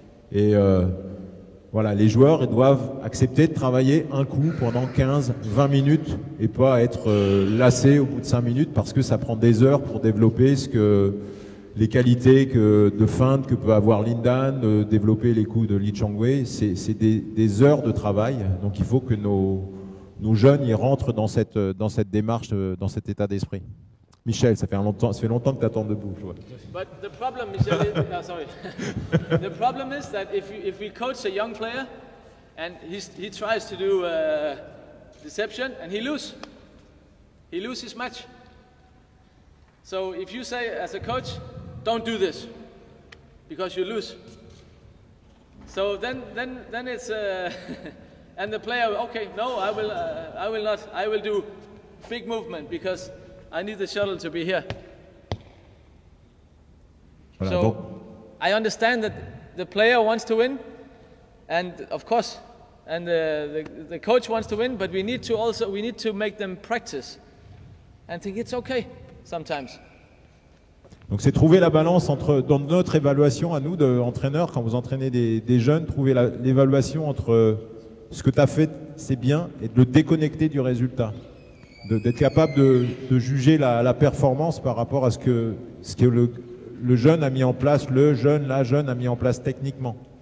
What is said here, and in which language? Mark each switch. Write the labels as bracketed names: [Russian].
[French] Et voilà, les joueurs doivent accepter de travailler un coup pendant 15-20 minutes et pas être lassés au bout de 5 minutes parce que ça prend des heures pour développer les qualités de feinte que peut avoir Lindan, développer les coups de Li Chongwei. C'est des heures de travail. Donc il faut que nos jeunes y rentrent dans cette démarche, dans cet état d'esprit. Michel, ça fait longtemps que tu attends debout, je vois. [English] But the problem, Michel, the problem is that if we coach a young player and he tries to do deception and he loses his match. So if you say as a coach, don't do this, because you lose. So then it's and the player, okay, no, I will not. I will do big movement because I need the shuttle to be here. [French] Voilà, [English] so I understand that the player wants to win, and of course, and the coach wants to win, but we need to make them practice and think it's okay sometimes. [French] Donc c'est trouver la balance entre, dans notre évaluation à nous d'entraîneurs, quand vous entraînez des jeunes, trouver l'évaluation entre ce que tu as fait, c'est bien, et de le déconnecter du résultat. D'être capable de juger la performance par rapport à ce que le jeune a mis en place, la jeune a mis en place techniquement.